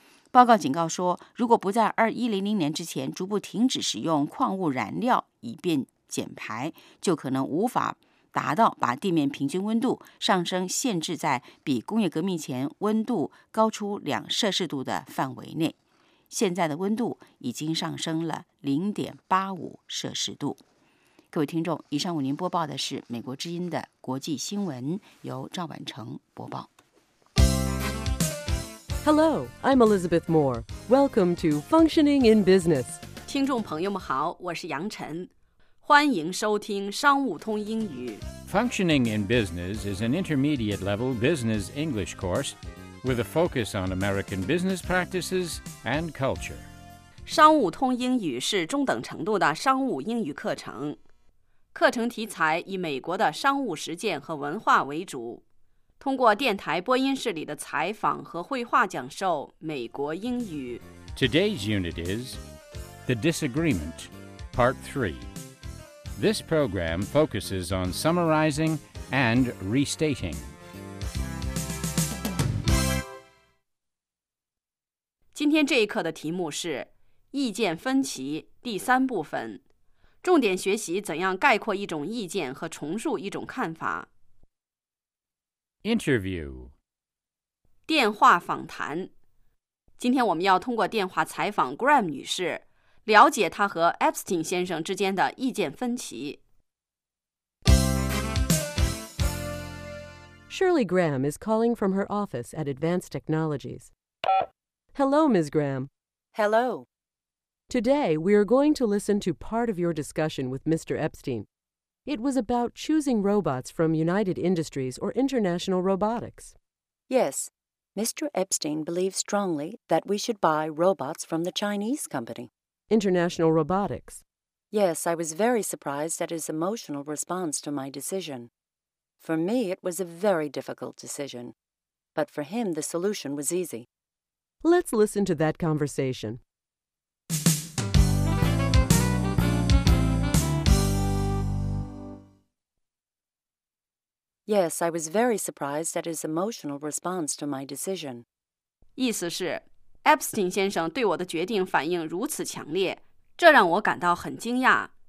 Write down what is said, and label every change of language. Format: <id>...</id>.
<zh>报告警告说，如果不在2100年之前逐步停止使用矿物燃料以便减排，就可能无法达到把地面平均温度上升限制在比工业革命前温度高出2摄氏度的范围内。现在的温度已经上升了0.85摄氏度。各位听众，以上为您播报的是美国之音的国际新闻，由赵婉成播报。</zh> <en>Hello, I'm Elizabeth Moore. Welcome to Functioning in Business.</en> <zh>听众朋友们好，我是杨晨。欢迎收听商务通英语。</zh> <en>Functioning in Business is an intermediate level business English course with a focus on American business practices and culture.</en> <zh>商务通英语是中等程度的商务英语课程。课程题材以美国的商务实践和文化为主，通过电台播音室里的采访和绘画讲授美国英语。</zh> <en>Today's unit is The Disagreement, Part 3. This program focuses on summarizing and restating.</en> <zh>今天这一课的题目是意见分歧第三部分，重点学习怎样概括一种意见和重述一种看法。</zh> <en>Interview.</en> <zh>电话访谈。今天我们要通过电话采访 Graham 女士，了解她和 Epstein 先生之间的意见分歧。</zh> <en>Shirley Graham is calling from her office at Advanced Technologies. Hello, Ms. Graham. Hello. Today, we are going to listen to part of your discussion with Mr. Epstein. It was about choosing robots from United Industries or International Robotics. Yes, Mr. Epstein believes strongly that we should buy robots from the Chinese company. International Robotics. Yes, I was very surprised at his emotional response to my decision. For me, it was a very difficult decision. But for him, the solution was easy. Let's listen to that conversation. Yes, I was very surprised at his emotional response to my decision.</en> <zh>意思是 ,Epstein 先生对我的决定反应如此强烈,这让我感到很惊讶。</zh>